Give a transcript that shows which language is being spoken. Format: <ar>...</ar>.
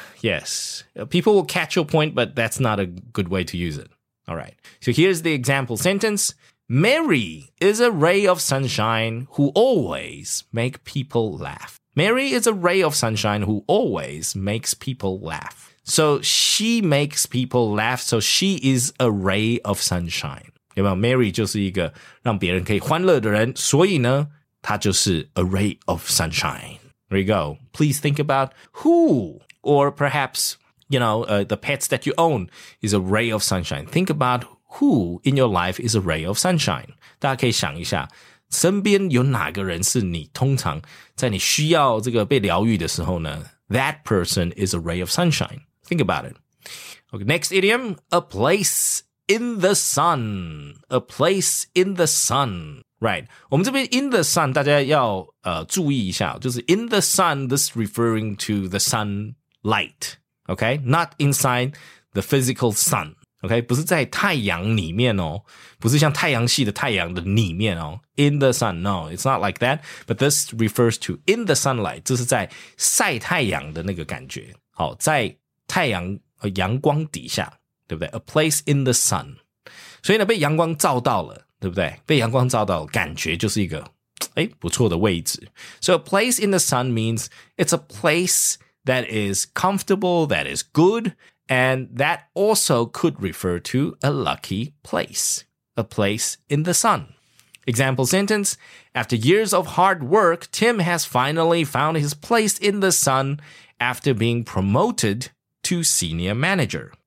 <en>Yes, people will catch your point, but that's not a good way to use it. All right. So here's the example sentence. Mary is a ray of sunshine who always make people laugh. Mary is a ray of sunshine who always makes people laugh. So she makes people laugh. So she is a ray of sunshine.</en> <zh>有没有 Mary 就是一个让别人可以欢乐的人。所以呢她就是</zh> <en>a ray of sunshine. There you go. Please think about who... Or perhaps, you know, the pets that you own is a ray of sunshine. Think about who in your life is a ray of sunshine.</en> <zh>大家可以想一下，身边有哪个人是你通常在你需要这个被疗愈的时候呢，</zh> <en>That person is a ray of sunshine. Think about it. Okay, next idiom, a place in the sun. A place in the sun. Right.</en> <zh>我们这边</zh> <en>in the sun,</en> <zh>大家要注意一下。就是</zh> <en>in the sun, this is referring to the sunlight. Okay? Not inside the physical sun. Okay?</en> <zh>不是在太阳里面哦。不是像太阳系的太阳的里面哦。</zh> <en>In the sun. No, it's not like that. But this refers to in the sunlight.</en> <zh>这是在晒太阳的那个感觉。好，在太阳阳光底下，对不对？</zh> <en>A place in the sun.</en> <zh>所以呢，被阳光照到了，对不对？被阳光照到了，感觉就是一个，诶，不错的位置。</zh> <en>So a place in the sun means it's a place that is comfortable, that is good, and that also could refer to a lucky place. A place in the sun. Example sentence, after years of hard work, Tim has finally found his place in the sun after being promoted to senior manager.</en>